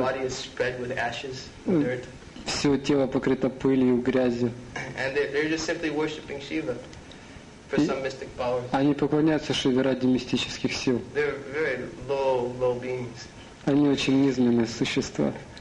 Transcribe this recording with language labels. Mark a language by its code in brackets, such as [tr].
[en] Body is spread with ashes, dirt. [ru] Все тело покрыто пылью, грязью. [en] And they're just simply worshiping Shiva for some mystic powers. [ru] Они поклоняются Шиве ради мистических сил. [en] They're very low, low beings. [ru] Они очень низменные существа.